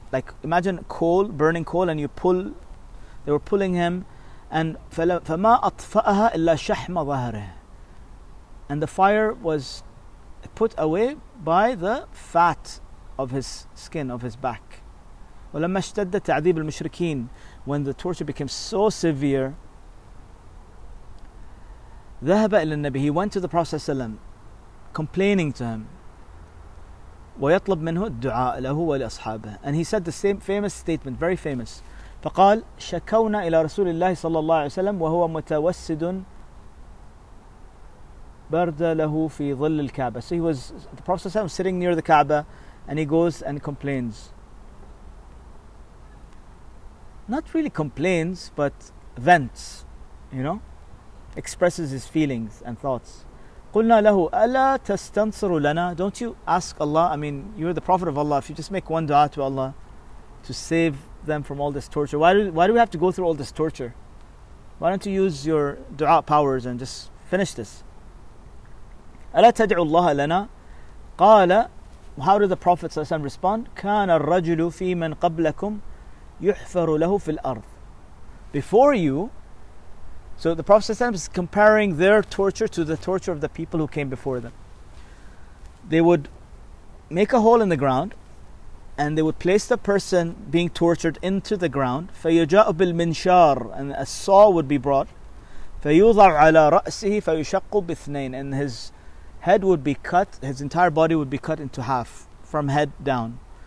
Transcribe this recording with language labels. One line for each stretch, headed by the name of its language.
English: Like imagine coal, burning coal, and you pull. They were pulling him, and
Arabic: فما أطفأها إلا شحم ظهره.
English: And the fire was put away by the fat of his skin, of his back.
Arabic: ولما اشتد تعذيب المشركين,
English: when the torture became so severe,
Arabic: ذهب إلى النبي,
English: he went to the Prophet
Arabic: صلى الله عليه وسلم,
English: complaining to him,
Arabic: ويطلب منه الدعاء له ولأصحابه,
English: and he said the same famous statement, very famous,
Arabic: فقال شكونا إلى رسول الله صلى الله عليه وسلم وهو متوسد برد له في ظل الكعبة.
English: So he was, the Prophet صلى الله عليه وسلم, sitting near the Kaaba, and he goes and complains. Not really complains, but vents, you know, expresses his feelings and thoughts.
Arabic: قلنا له ألا تستنصر لنا,
English: don't you ask Allah, I mean, you're the Prophet of Allah, if you just make one dua to Allah to save them from all this torture, why do we have to go through all this torture? Why don't you use your dua powers and just finish this?
Arabic: ألا تدعو الله لنا؟ قال,
English: how did the Prophet ﷺ respond?
Arabic: كان الرجل في من قبلكم يُحْفَرُ لَهُ فِي الْأَرْضِ.
English: Before you, so the Prophet is comparing their torture to the torture of the people who came before them. They would make a hole in the ground, and they would place the person being tortured into the ground.
Arabic: فَيُجَاءُ بِالْمِنْشَارِ,
English: and a saw would be brought.
Arabic: فَيُوضَعُ عَلَى رَأْسِهِ فَيُشَقُّ بِثْنَيْنِ,
English: and his head would be cut, his entire body would be cut into half, from head down.